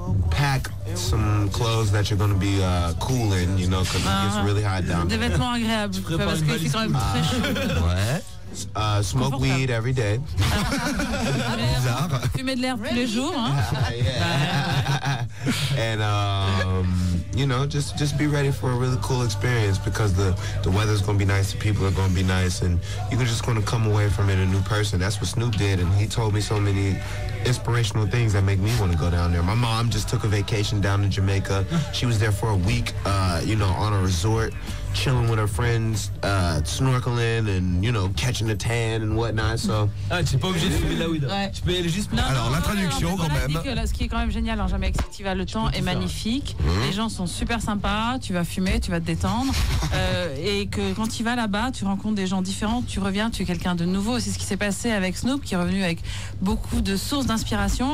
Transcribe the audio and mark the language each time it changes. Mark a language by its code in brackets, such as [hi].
[en] Pack some clothes that you're going to be cool in, you know, because it's really hot down there. [fr] Des vêtements agréables, parce que c'est quand même très chaud. Ouais. [en] Smoke weed every day. [fr] Fumer de l'herbe tous les jours. Hein? [en] And you know, just be ready for a really cool experience because the weather's gonna be nice, the people are gonna be nice, and you're just gonna come away from it a new person. That's what Snoop did, and he told me so many inspirational things that make me want to go down there. My mom just took a vacation down to Jamaica. She was there for a week, you know, on a resort, chilling with her friends, snorkeling and, you know, catching a tan and whatnot, so... [fr] Ah, tu es pas obligé de fumer de la weed. Ouais. Tu peux aller juste... Non, alors, non, la traduction, non, voilà, quand même. Que, là, ce qui est quand même génial en Jamaïque, c'est que tu vas, le temps est magnifique, les gens sont super sympas, tu vas fumer, tu vas te détendre, et que quand tu vas là-bas, tu rencontres des gens différents, tu reviens, tu es quelqu'un de nouveau. C'est ce qui s'est passé avec Snoop, qui est revenu avec beaucoup de sources d'inspiration.